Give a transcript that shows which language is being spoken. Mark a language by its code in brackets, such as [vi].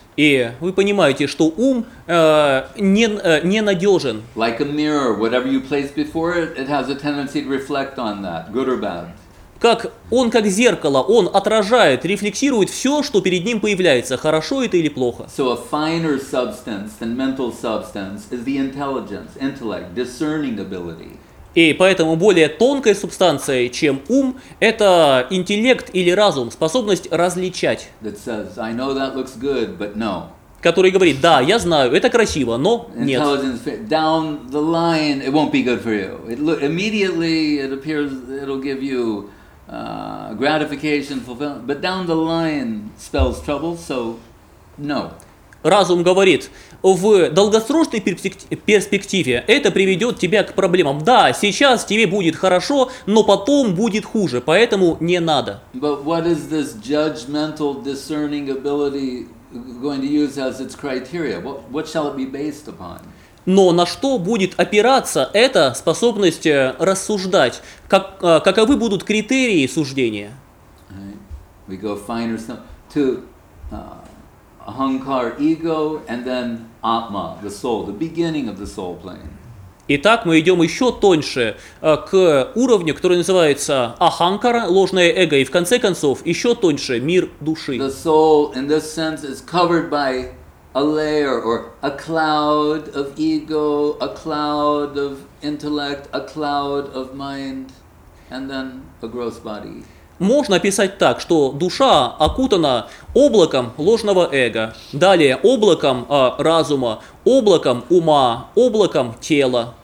[ru] И вы понимаете, что ум ненадежен. [en] Like a mirror, whatever you place before it, it has a tendency to reflect on that, good or bad. [ru] Как он, как зеркало, он отражает, рефлексирует все, что перед ним появляется, хорошо это или плохо. [en] So a finer substance than mental substance is the intelligence, intellect, discerning ability. [ru] И поэтому более тонкой субстанцией, чем ум, это интеллект или разум, способность различать. [en] That says, I know that looks good, but no. [ru] Который говорит, да, я знаю, это красиво, но нет. [en] Down the line, it won't be good for you. Immediately it appears it'll give you gratification, fulfillment, but down the line spells trouble, so no. [ru] Разум говорит, в долгосрочной перспективе это приведет тебя к проблемам. Да, сейчас тебе будет хорошо, но потом будет хуже, поэтому не надо. [en] But what is this judgmental discerning ability going to use as its criteria? What shall it be based upon? [ru] Но на что будет опираться эта способность рассуждать? Каковы будут критерии суждения? [en] We go finer to Ahankar, ego, and then Atma, the soul, the beginning of the soul plane. [ru] Итак, мы идем еще тоньше к уровню, который называется Аханкара, ложное эго, и в конце концов еще тоньше мир души. [en] The soul, in this sense, is covered by a layer or a cloud of ego, a cloud of intellect, a cloud of mind, and then a gross body. [ru] Можно описать так, что душа окутана облаком ложного эго, далее облаком разума, облаком ума, облаком тела.